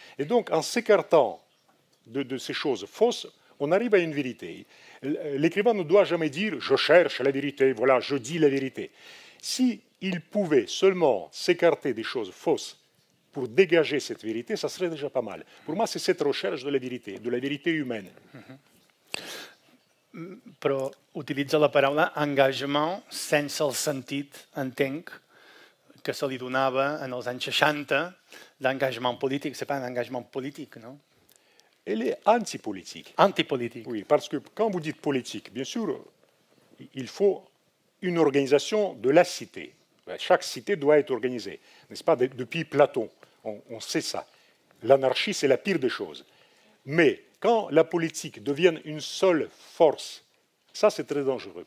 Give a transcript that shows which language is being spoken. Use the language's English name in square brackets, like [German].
[French] Et donc, en s'écartant de ces choses fausses, on arrive à une vérité. L'écrivain ne doit jamais dire « je cherche la vérité, voilà, je dis la vérité ». S'il pouvait seulement s'écarter des choses fausses pour dégager cette vérité, ça serait déjà pas mal. Pour moi, c'est cette recherche de la vérité humaine. Mm-hmm. [Catalan] Però utilitza la paraula engagement sense el sentit, entenc, que se li donava en els anys 60 d'engagement polític. [French] C'est pas un engagement polític, no? Elle est antipolitique. Antipolitique. Oui, parce que quand vous dites politique, bien sûr, il faut une organisation de la cité. Chaque cité doit être organisée, n'est-ce pas? Depuis Platon, on sait ça. L'anarchie, c'est la pire des choses. Mais quand la politique devient une seule force, ça, c'est très dangereux.